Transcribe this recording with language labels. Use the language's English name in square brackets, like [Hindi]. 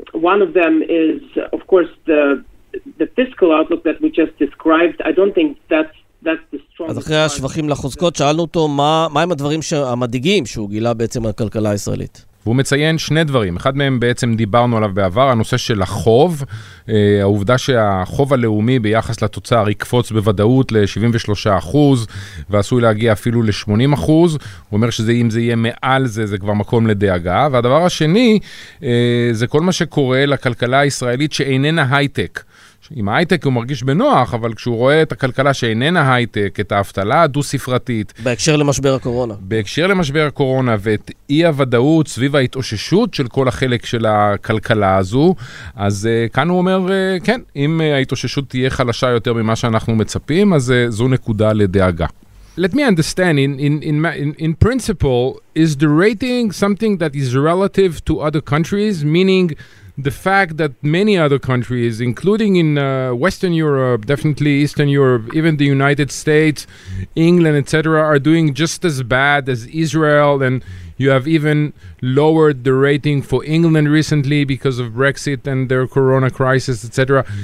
[English] One of them is, of course, the fiscal outlook that we just described. I don't think that's the strongest. [Hebrew] אז אחרי השבחים לחוזקות, שאלנו אותו מהם הדברים המדאיגים שהוא גילה בעצם על הכלכלה הישראלית. והוא מציין שני דברים. אחד מהם בעצם דיברנו עליו בעבר, הנושא של החוב. העובדה שהחוב הלאומי ביחס לתוצר יקפוץ בוודאות ל-73% ועשוי להגיע אפילו ל-80%. הוא אומר שאם זה יהיה מעל זה, זה כבר מקום לדאגה. והדבר השני, זה כל מה שקורה לכלכלה הישראלית שאיננה הייטק. עם הייטק הוא מרגיש בנוח, אבל כשהוא רואה את הכלכלה שאיננה הייטק, את ההבטלה הדו-ספרתית. בהקשר למשבר הקורונה. בהקשר למשבר הקורונה, ואת אי-הוודאות סביב ההתאוששות של כל החלק של הכלכלה הזו, אז כאן הוא אומר, כן, אם ההתאוששות תהיה חלשה יותר ממה שאנחנו מצפים, אז זו נקודה לדאגה. [English] let me understand, in principle, is the rating something that is relative to other countries, meaning the fact that many other countries, including in Western Europe, definitely Eastern Europe, even the United States, England, etc., are doing just as bad as Israel, and you have even lowered the rating for England recently because of Brexit and their corona crisis, etc.